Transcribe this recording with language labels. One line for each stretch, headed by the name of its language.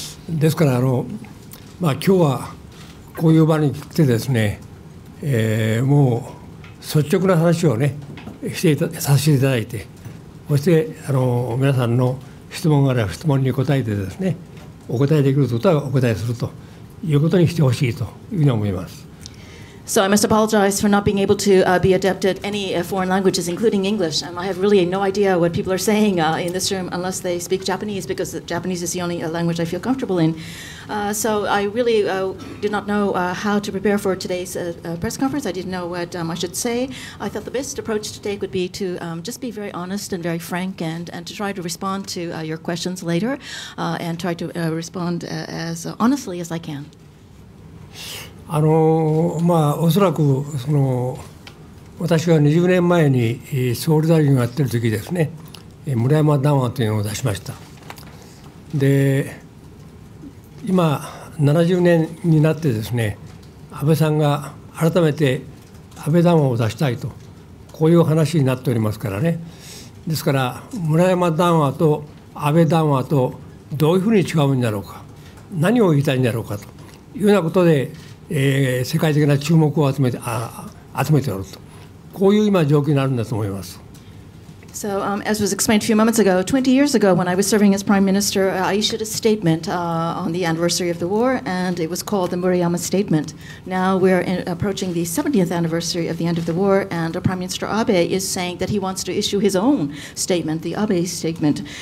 Japanese: ですから今日はこういう場に来てですね、もう率直な話をねしていたさせていただいて、そして皆さんの質問があれば質問に答えてですね、お答えできることはお答えするということにしてほしいというふうに思います。
English: So I must apologize for not being able to be adept at any foreign languages, including English. I have really no idea what people are saying in this room unless they speak Japanese, because Japanese is the only language I feel comfortable in. So I really did not know how to prepare for today's press conference. I didn't know what I should say. I thought the best approach to take would be to just be very honest and very frank and to try to respond to your questions later and try to respond as honestly as I can.
Japanese: おそらく私が20年前に総理大臣をやっている時ですね、村山談話というのを出しました。で、今70年になってですね、安倍さんが改めて安倍談話を出したいと、こういう話になっておりますからね。ですから村山談話と安倍談話とどういうふうに違うんだろうか、何を言いたいんだろうかというようなことで、世界的な注目を集めておると、こういう今状況になるんだと思います。
English: So, as was explained a few moments ago, 20 years ago, when I was serving as Prime Minister, I issued a statement on the anniversary of the war, and it was called the Murayama Statement. Now we're approaching the 70th anniversary of the end of the war, and Prime Minister Abe is saying that he wants to issue his own statement, the Abe Statement.